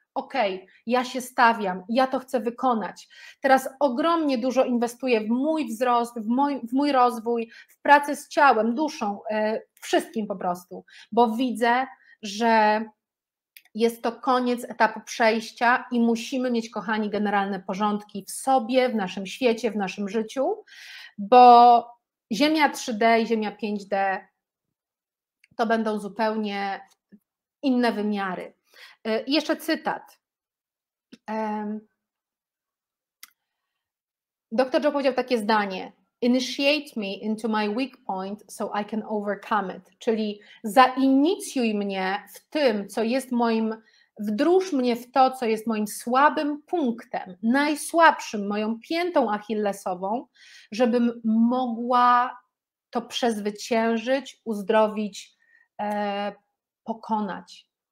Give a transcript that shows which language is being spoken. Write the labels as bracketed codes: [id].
[pl] Okej, ja się stawiam, ja to chcę wykonać. Teraz ogromnie dużo inwestuję w mój wzrost, w mój rozwój, w pracę z ciałem, duszą, wszystkim po prostu, bo widzę, że jest to koniec etapu przejścia i musimy mieć, kochani, generalne porządki w sobie, w naszym świecie, w naszym życiu, bo Ziemia 3D i Ziemia 5D to będą zupełnie inne wymiary. I jeszcze cytat. Dr. Joe powiedział takie zdanie. [en] Initiate me into my weak point so I can overcome it. [pl] Czyli zainicjuj mnie w tym, co jest moim, wdróż mnie w to, co jest moim słabym punktem, najsłabszym, moją piętą achillesową, żebym mogła to przezwyciężyć, uzdrowić, pokonać.